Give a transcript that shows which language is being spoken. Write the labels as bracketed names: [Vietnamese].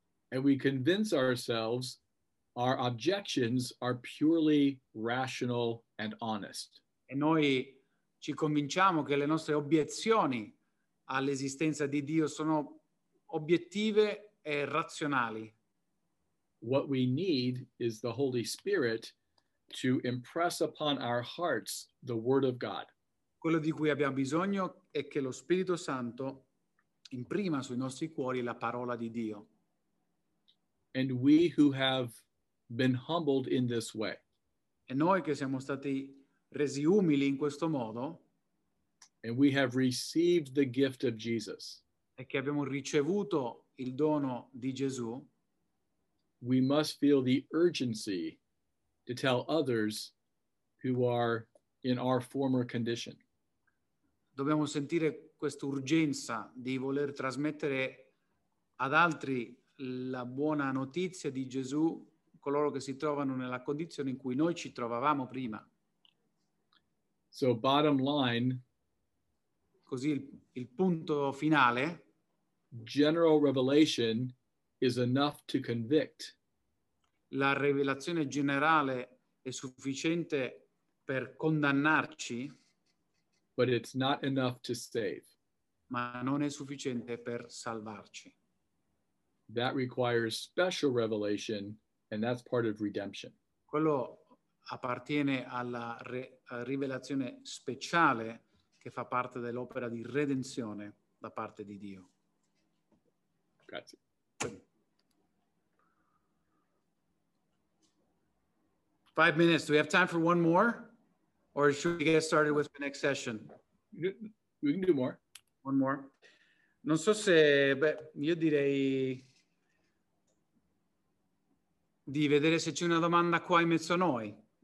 [English] And we convince ourselves our objections are purely rational and honest. [Italian] E noi ci convinciamo che le nostre obiezioni all'esistenza di Dio sono obiettive e razionali. [English] What we need is the Holy Spirit to impress upon our hearts the Word of God. [Italian] Quello di cui abbiamo bisogno è che lo Spirito Santo imprima sui nostri cuori la parola di Dio. [English] And we who have been humbled in this way. [Italian] E noi che siamo stati resi umili in questo modo. [English] And we have received the gift of Jesus. [Italian] E che abbiamo ricevuto il dono di Gesù. [English] We must feel the urgency to tell others who are in our former condition. [Italian] Dobbiamo sentire questa urgenza di voler trasmettere ad altri la buona notizia di Gesù, coloro che si trovano nella condizione in cui noi ci trovavamo prima. [English] So bottom line, [Italian] così il punto finale, [English] general revelation is enough to convict. [Italian] La rivelazione generale è sufficiente per condannarci, [English] but it's not enough to save. [Italian] Ma non è sufficiente per salvarci. [English] That requires special revelation, and that's part of redemption. [Italian] Quello appartiene alla rivelazione speciale che fa parte dell'opera di redenzione da parte di Dio. Grazie. [English] Five minutes. Do we have time for one more? Or should we get started with the next session? We can do more. One more. [Italian] Non so se, io direi di vedere se c'è una domanda qua in mezzo a noi.